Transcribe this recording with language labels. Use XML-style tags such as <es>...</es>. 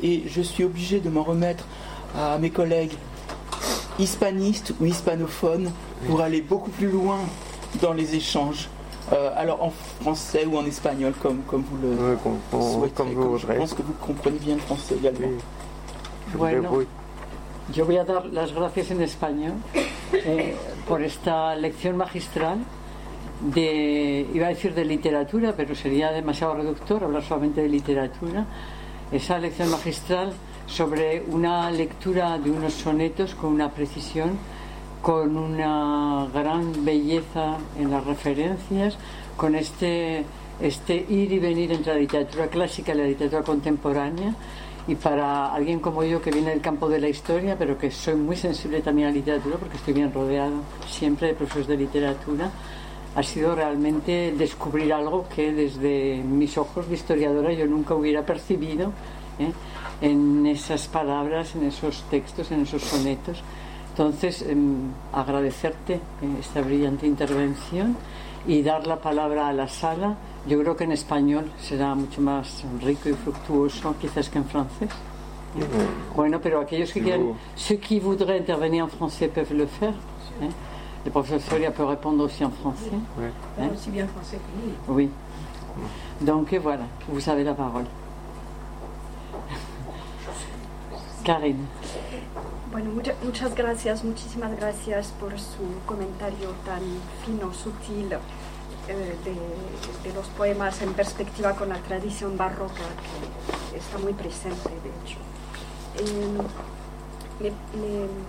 <fr>Et je suis obligée de m'en remettre à mes collègues hispanistes ou hispanophones pour aller beaucoup plus loin dans les échanges. Alors en français ou en espagnol, comme vous le souhaitez. Comme vous voudrez. Je pense que vous comprenez bien le français également. Oui.</fr> <es>Yo voy a dar las gracias en español por esta lección magistral de, iba a decir de literatura, pero sería demasiado reductor hablar solamente de literatura, esa lección magistral sobre una lectura de unos sonetos con una precisión, con una gran belleza en las referencias, con este ir y venir entre la literatura clásica y la literatura contemporánea. Y para alguien como yo, que viene del campo de la historia, pero que soy muy sensible también a la literatura, porque estoy bien rodeado siempre de profesores de literatura, ha sido realmente descubrir algo que desde mis ojos de historiadora yo nunca hubiera percibido, ¿eh?, en esas palabras, en esos textos, en esos sonetos. Entonces, agradecerte esta brillante intervención y dar la palabra a la sala. Yo creo que en español será mucho más rico y fructuoso, quizás que en francés. Bueno, pero aquellos que quieran,</es> <fr>ceux qui voudraient intervenir en français peuvent le faire.</fr> <es>El profesor ya puede responder</es> <fr>aussi en français. Aussi bien français que lui. Oui. Donc voilà, vous avez la parole. Karine.</fr> <es>Bueno, muchas gracias, muchísimas gracias por su comentario tan fino, sutil. De los poemas en perspectiva con la tradición barroca, que está muy presente, de hecho.</es>